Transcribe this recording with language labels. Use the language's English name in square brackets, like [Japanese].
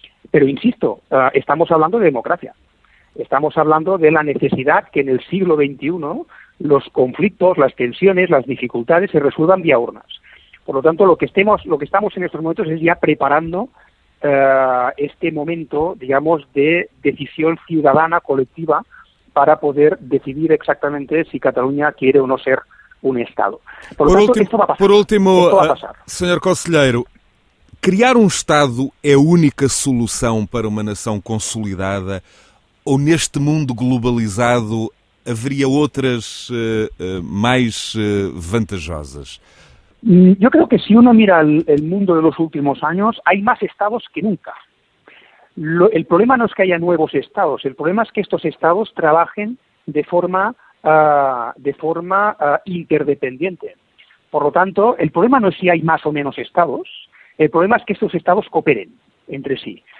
[Spanish] Pero insisto, estamos hablando de democracia. Estamos hablando de la necesidad que en el siglo XXI los conflictos, las tensiones, las dificultades se resuelvan vía urnas. Por lo tanto, lo que estamos en estos momentos es ya preparando este momento, digamos, de decisión ciudadana colectiva para poder decidir exactamente si Cataluña quiere o no ser un Estado. Por último, Sr. [Portuguese] Conselheiro, criar un Estado é a única solução para uma nação consolidada ou neste mundo globalizado haveria outras mais vantajosas? [Spanish] Yo creo que si uno mira el mundo de los últimos años, hay más estados que nunca. El problema no es que haya nuevos estados, el problema es que estos estados trabajen de forma de forma interdependiente. Por lo tanto, el problema no es si hay más o menos estados, el problema es que estos estados cooperen entre sí.